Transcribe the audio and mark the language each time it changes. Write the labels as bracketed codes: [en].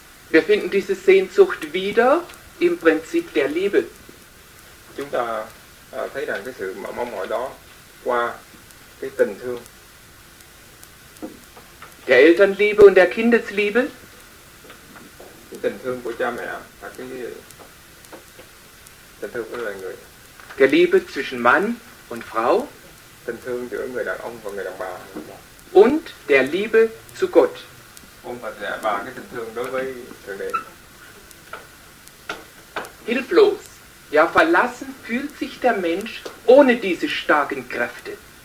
[de] Wir finden diese Sehnsucht wieder im Prinzip der Liebe. [vi] Chúng ta thấy rằng cái sự mong mỏi đó qua cái tình thương. [de] Der Elternliebe und der Kindesliebe. [vi] Cái tình thương của cha mẹ và cái tình thương của loài người. [de] Der Liebe zwischen Mann und Frau. [vi] Tình thương giữa người đàn ông và người đàn bà. [de] Und der Liebe zu Gott. [vi] Ông và trẻ bà cái tình thương đối với Thượng Đế. [de] Hilflos, ja verlassen fühlt sich der Mensch ohne diese starken Kräfte.